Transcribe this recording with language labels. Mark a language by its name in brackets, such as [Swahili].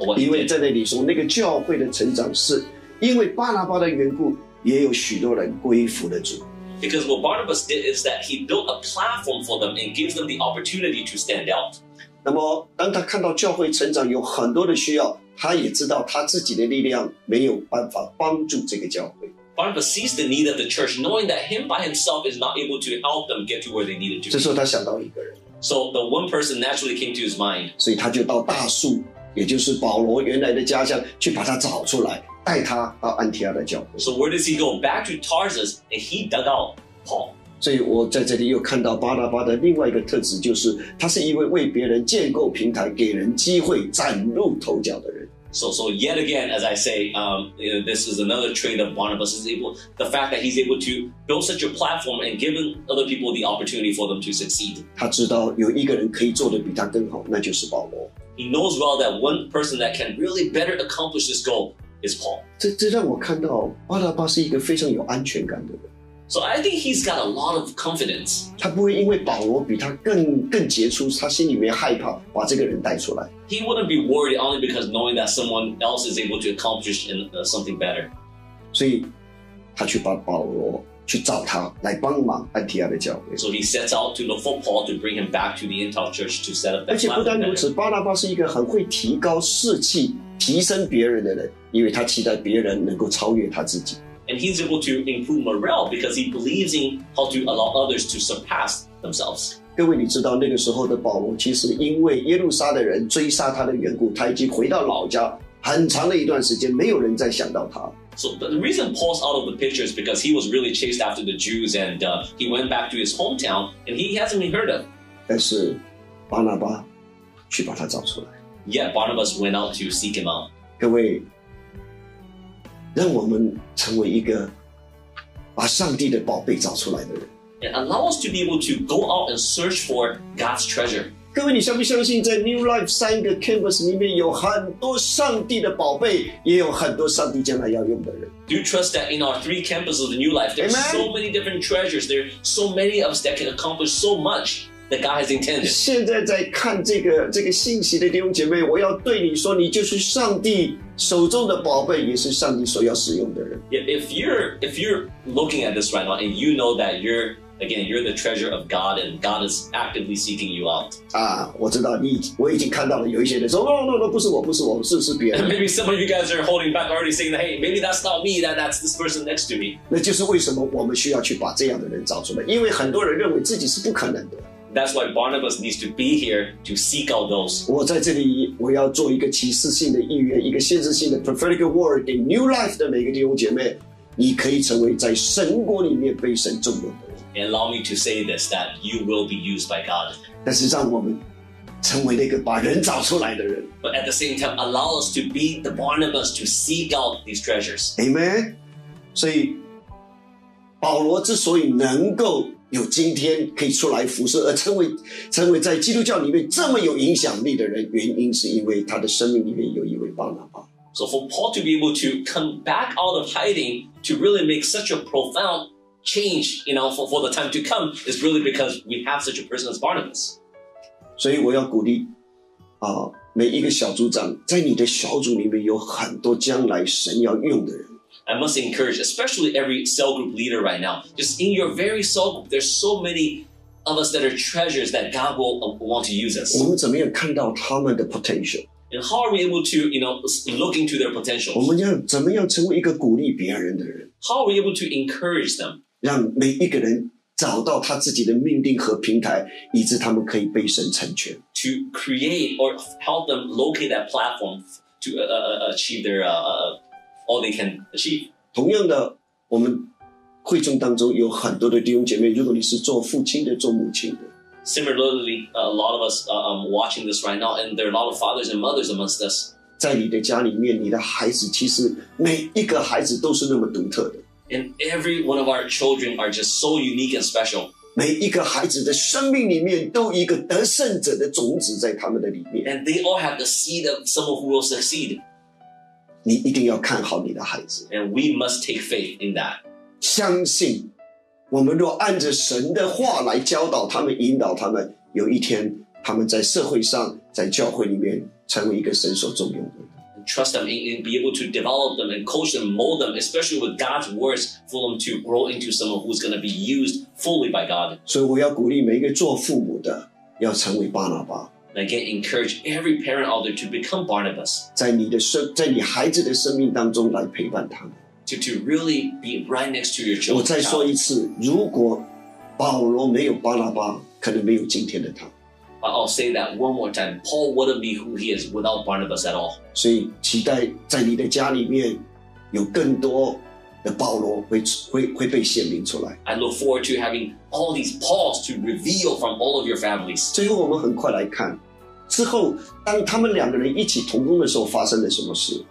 [Chinese] 因为在那里说，那个教会的成长是因为巴拿巴的缘故，也有许多人归服了主。 [English] Because what Barnabas did is that he built a platform for them and gave them the opportunity to stand out. [Chinese] 那么当他看到教会成长有很多的需要，他也知道他自己的力量没有办法帮助这个教会。 [English] Barnabas sees the need of the church, knowing that him by himself is not able to help them get to where they needed to be. [Chinese] 这时候他想到一个人。 [English] So the one person naturally came to his mind. [Chinese] 所以他就到大树，也就是保罗原来的家乡，去把他找出来，带他到安提阿的教会。 [English] So where does he go? Back to Tarsus, and he dug out Paul. [Chinese] 所以我在这里又看到巴拿巴的另外一个特质，就是他是一位为别人建构平台、给人机会、崭露头角的人。 [English] So yet again, as I say, you know, this is another trait of Barnabas is able, the fact that he's able to build such a platform and give other people the opportunity for them to succeed. [Chinese] 他知道有一个人可以做得比他更好，那就是保罗。 [English] He knows well that one person that can really better accomplish this goal is Paul. [Chinese] 这让我看到巴拿巴是一个非常有安全感的人。 [English] So I think he's got a lot of confidence. [Chinese] 他不会因为保罗比他更杰出，他心里面害怕把这个人带出来。 [English] He wouldn't be worried only because knowing that someone else is able to accomplish something better. [Chinese] 所以他去把保罗去找他来帮忙安提阿的教会。 [English] So he sets out to look for Paul to bring him back to the Antioch church to set up that. [Chinese] 而且不单如此，巴拿巴是一个很会提高士气、提升别人的人，因为他期待别人能够超越他自己。 [English] And he's able to improve morale because he believes in how to allow others to surpass themselves. [Chinese] 各位，你知道那个时候的保罗，其实因为耶路撒的人追杀他的缘故，他已经回到老家很长的一段时间，没有人再想到他。 [English] So the reason Paul's out of the picture is because he was really chased after the Jews, and he went back to his hometown, and he hasn't been heard of. [Chinese] 但是巴拿巴去把他找出来。 [English] Yeah, Barnabas went out to seek him out. [Chinese] 各位。让我们成为一个把上帝的宝贝找出来的人。 [English] And allow us to be able to go out and search for God's treasure. [Chinese] 各位，你相不相信在 New Life 三个 Campus 里面有很多上帝的宝贝，也有很多上帝将来要用的人。 [English] Do you trust that in our three campuses of the New Life, there's so many different treasures. There are so many of us that can accomplish so much. That God has intended. [Chinese] 现在在看这个信息的弟兄姐妹，我要对你说，你就是上帝手中的宝贝，也是上帝所要使用的人。 [English] If you're looking at this right now, and you know that you're Again, you're the treasure of God, and God is actively seeking you out. [Chinese] 啊，我知道你，我已经看到了有一些人说 ， [English] No, [Chinese] 不是我，不是我，是别人。 [English] Maybe some of you guys are holding back, already saying, "Hey, maybe that's not me. That's this person next to me." [Chinese] 那就是为什么我们需要去把这样的人找出来，因为很多人认为自己是不可能的。 [English] That's why Barnabas needs to be here to seek out those. [Chinese] 我在这里，我要做一个启示性的预言，一个先知性的 [English] prophetic word [Chinese] 给 New Life 的每个弟兄姐妹，你可以成为在神国里面被神重用的。 [English] And allow me to say this, that you will be used by God. [Chinese] 但是让我们成为那个把人找出来的人。 [English] But at the same time, allow us to be the Barnabas to seek out these treasures. Amen. [Chinese] 所以保罗之所以能够有今天可以出来服侍，而成为在基督教里面这么有影响力的人，原因是因为他的生命里面有一位巴拿巴。 [English] So for Paul to be able to come back out of hiding to really make such a profound change, you know, for the time to come is really because we have such a person as Barnabas. [Chinese] 所以我要鼓励啊，每一个小组长，在你的小组里面有很多将来神要用的人。 [English] I must encourage, especially every cell group leader right now, just in your very cell group, there's so many of us that are treasures that God will want to use us. [Chinese] 我们怎么样看到他们的 potential? [English] And how are we able to, you know, look into their potential? [Chinese] 我们要怎么样成为一个鼓励别人的人？ [English] How are we able to encourage them? [Chinese] 让每一个人找到他自己的命定和平台，以致他们可以被神成全。 [English] To create or help them locate that platform to achieve their all they can achieve. [Chinese] 同样的，我们会众当中有很多的弟兄姐妹，如果你是做父亲的，做母亲的。 [English] Similarly, a lot of us watching this right now, and there are a lot of fathers and mothers amongst us. [Chinese] 在你的家里面，你的孩子其实每一个孩子都是那么独特的。 [English] And every one of our children are just so unique and special. [Chinese] 每一个孩子的生命里面都一个得胜者的种子在他们的里面。 [English] And they all have the seed of someone who will succeed. [Chinese] 你一定要看好你的孩子。 [English] And we must take faith in that. [Chinese] 相信。我们若按着神的话来教导他们引导他们有一天他们在社会上在教会里面成为一个神所重用的 [English] Trust them and be able to develop them and coach them, mold them, especially with God's words for them to grow into someone who's going to be used fully by God. [Chinese] 所以我要鼓励每一个做父母的要成为巴拿巴 [English] Again, encourage every parent out there to become Barnabas. [Chinese] 在你孩子的生命当中来陪伴他们 [English] To really be right next to your children. [Chinese] 我再说一次，如果保罗没有巴拿巴，可能没有今天的他。 [English] I'll say that one more time. Paul wouldn't be who he is without Barnabas at all. [Chinese] 所以期待在你的家里面有更多的保罗会被显明出来。 [English] I look forward to having all these Pauls to reveal from all of your families. [Chinese] 最后我们很快来看，之后当他们两个人一起同工的时候，发生了什么事？